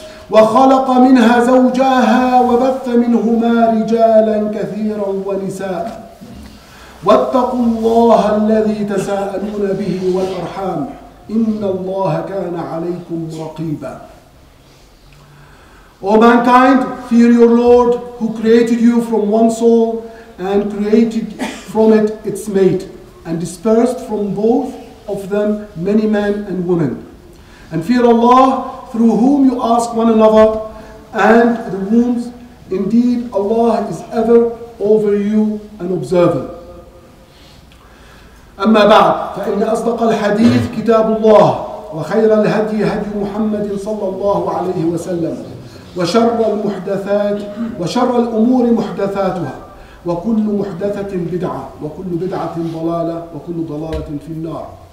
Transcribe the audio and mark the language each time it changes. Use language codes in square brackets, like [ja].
[ar] وخلق منها زوجها وبث منهما رجالا كثيرا ونساء واتقوا الله الذي تساءلون به والأرحام إن الله كان عليكم رقيبا [en] O mankind, fear your Lord who created you from one soul and created from it its mate and dispersed from both of them many men and women. And fear Allah through whom you ask one another and the wombs. Indeed, Allah is ever over you an observer. [ar] أما بعد فإن أصدق الحديث كتاب الله وخير الهدي هدي محمد صلى الله عليه وسلم وشر المحدثات وشر الأمور محدثاتها وكل محدثة بدعة وكل بدعة ضلالة وكل ضلالة في النار